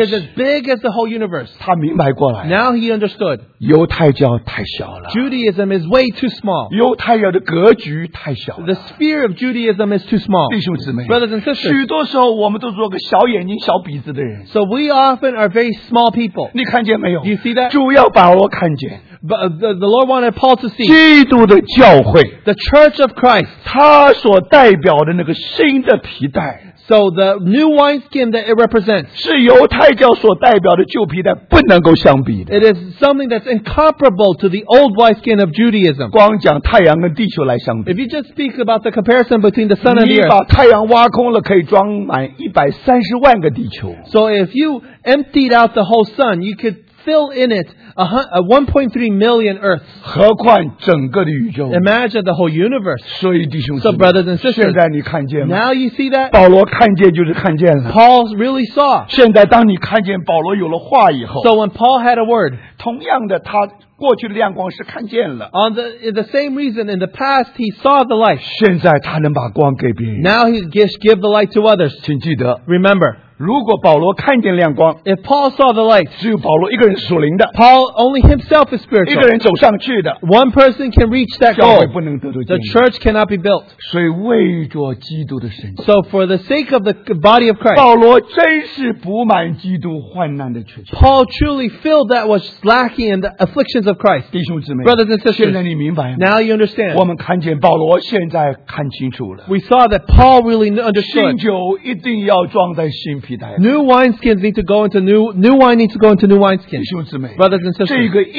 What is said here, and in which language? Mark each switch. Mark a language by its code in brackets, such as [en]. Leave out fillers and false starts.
[en] He is as big as the whole universe. [zh] 他明白过来。 [en] Now he understood. [zh] 犹太教太小了。 [en] Judaism is way too small. [zh] 犹太教的格局太小了。 [en] The sphere of Judaism is too small. [zh] 弟兄姊妹， [en] brothers and sisters, [zh] 许多时候我们都做个小眼睛小鼻子的人。 [en] So we often are very small people. [zh] 你看见没有？ [en] Do you see that? [zh] 主要把我看见。 [en] But the Lord wanted Paul to see [zh] 基督的教会， [en] the church of Christ, [zh] 他所代表的那个新的皮带。 [en] So the new wineskin that it represents [zh] 是犹太教所代表的旧皮带不能够相比的。 [en] It is something that's incomparable to the old wineskin of Judaism. [zh] 光讲太阳跟地球来相比。 [en] If you just speak about the comparison between the sun and the earth, [zh] 你把太阳挖空了可以装满130万个地球。 [en] So if you emptied out the whole sun, you could fill in it a 1.3 million earths. [zh] 何况整个的宇宙。 [en] Imagine the whole universe. [zh] 所以弟兄姊妹， [en] so brothers and sisters, [zh] 现在你看见吗？ [en] Now you see that? [zh] 保罗看见就是看见了。 [en] Paul really saw. [zh] 现在当你看见保罗有了话以后。 [en] So when Paul had a word. [zh] 同样的他过去的亮光是看见了。 [en] On the same reason, in the past, he saw the light. [zh] 现在他能把光给别人。 [en] Now he can give the light to others. [zh] 请记得。 [en] Remember. [zh] 如果保罗看见亮光， [en] if Paul saw the light, [zh] 只有保罗一个人属灵的， [en] Paul only himself is spiritual, [zh] 一个人走上去的， [en] one person can reach that goal, [zh] 教会不能得到建立， [en] the church cannot be built. [zh] 所以为着基督的身体， [en] so for the sake of the body of Christ, [zh] 保罗真是补满基督患难的缺缺， [en] Paul truly filled that was lacking in the afflictions of Christ. [zh] 弟兄姊妹， [en] brothers and sisters, [zh] 现在你明白吗？ [en] Now you understand. [zh] 我们看见保罗现在看清楚了， [en] we saw that Paul really understood. [zh] 新酒一定要装在新瓶。 [en] New wineskins need to go into new wine needs to go into new wineskins. Brothers and sisters.